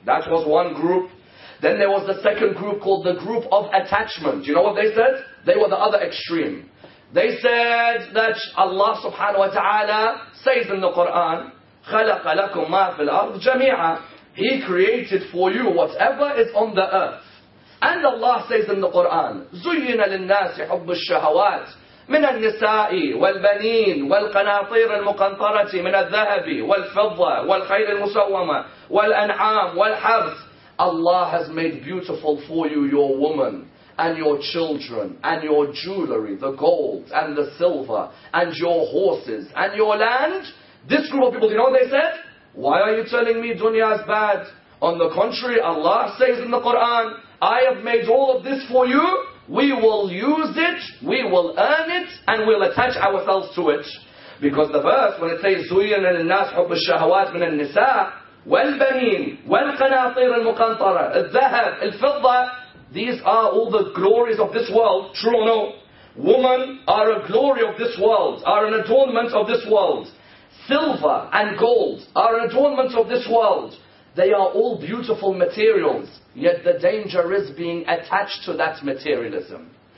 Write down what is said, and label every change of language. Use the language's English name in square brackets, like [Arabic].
[English] That was one group. Then there was the second group called the group of attachment. You know what they said? They were the other extreme. They said that Allah subhanahu wa ta'ala says in the Quran, [Arabic] خَلَقَ لَكُمْ مَا فِي الْأَرْضِ جَمِيعًا. [English] He created for you whatever is on the earth. And Allah says in the Quran, [Arabic] زُيِّنَ لِلنَّاسِ حُبُّ الشَّهَوَاتِ مِنَ النِّسَاءِ وَالْبَنِينَ وَالْقَنَاطِيرِ الْمُقَنْطَرَةِ مِنَ الذَّهَبِ وَالْفِضَّةِ وَالْخَيْلِ الْمُسَوَّمَةِ وَالْأَنْعَامِ وَالْحَرْثِ. [English] Allah has made beautiful for you your woman and your children and your jewelry, the gold and the silver and your horses and your land. This group of people, you know what they said? Why are you telling me dunya is bad? On the contrary, Allah says in the Quran, I have made all of this for you. We will use it, we will earn it, and we'll attach ourselves to it. Because the verse, when it says, [Arabic] زُيِّنَ لِلنَّاسِ حُبُّ الشَّهَوَاتِ مِنَ النِّسَاءِ وَالْبَنِينَ وَالْقَنَاطِيرِ الْمُقَنْطَرَةِ الذَّهَبِ الْفِضَّةِ. [English] These are all the glories of this world, true or no? Women are a glory of this world, are an adornment of this world. Silver and gold are an adornment of this world. They are all beautiful materials, yet the danger is being attached to that materialism.